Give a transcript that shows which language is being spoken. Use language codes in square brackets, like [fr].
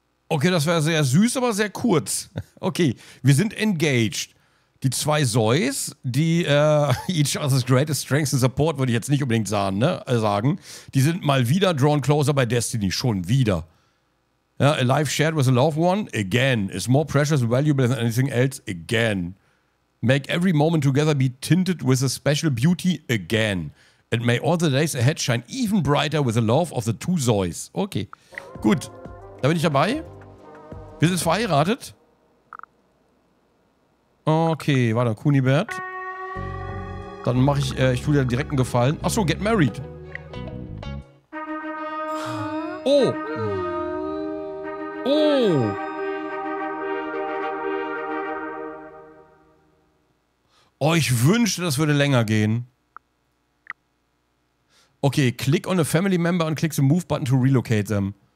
[de] Okay, das war sehr süß, aber sehr kurz. Okay, wir sind engaged. Die zwei Zeus, die [en] each other's greatest strengths and support, [de] würde ich jetzt nicht unbedingt sagen, ne? Sagen. Die sind mal wieder [en] drawn closer by destiny. [de] Schon wieder. [en] Ja, a life shared with a loved one, again. Is more precious and valuable than anything else, again. Make every moment together be tinted with a special beauty, again. And may all the days ahead shine even brighter with the love of the two Zeus. [de] Okay, gut. Da bin ich dabei. Wir sind verheiratet. Okay, warte, Kunibert. Dann mache ich, ich tue dir direkt einen Gefallen. Achso, [en] get married. [de] Oh. Oh. Oh, ich wünschte, das würde länger gehen. [en] Okay, click on a family member and click the move button to relocate them.